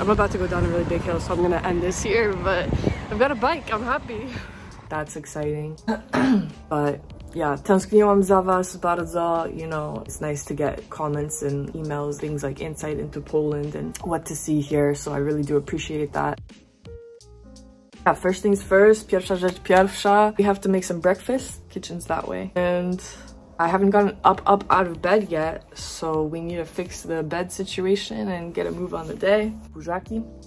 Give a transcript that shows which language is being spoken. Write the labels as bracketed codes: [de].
[en] I'm about to go down a really big hill, so I'm gonna end this here, but I've got a bike, I'm happy. That's exciting. But yeah, [pl] tęskniłam za was bardzo. [en] You know, it's nice to get comments and emails, things like insight into Poland and what to see here, so I really do appreciate that. Yeah, first things first, [pl] pierwsza rzecz pierwsza. [en] We have to make some breakfast, kitchen's that way, and I haven't gotten up out of bed yet, so we need to fix the bed situation and get a move on the day. Buzaki.